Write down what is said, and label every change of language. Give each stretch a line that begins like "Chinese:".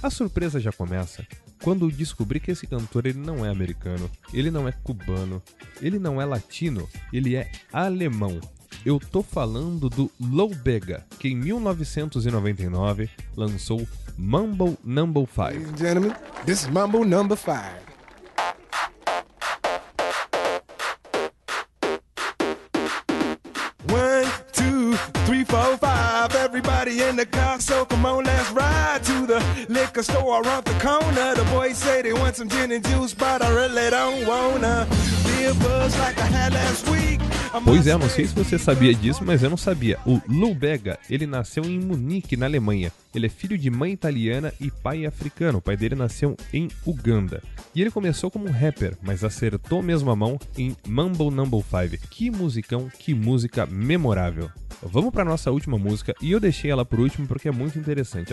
Portuguese: A surpresa já começa quando eu descobri que esse cantor ele não é americano, ele não é cubano, ele não é latino, ele é alemão. Eu tô falando do Low Bega, que em 1999 lançou Mambo Number 5.
English: Ladies and gentlemen, this is Mambo Number 5. In the car, so come on, let's ride to the liquor store around the corner. The boys say they want some gin and juice, but I really don't wanna be a buzz like I had last week.
Portuguese: Pois é, não sei se você sabia disso, mas eu não sabia. O Lou Bega, ele nasceu em Munique, na Alemanha. Ele é filho de mãe italiana e pai africano. O pai dele nasceu em Uganda. E ele começou como rapper, mas acertou mesmo a mão em Mambo No. 5. Que musicão, que música memorável. Vamos para nossa última música, e eu deixei ela por último porque é muito interessante.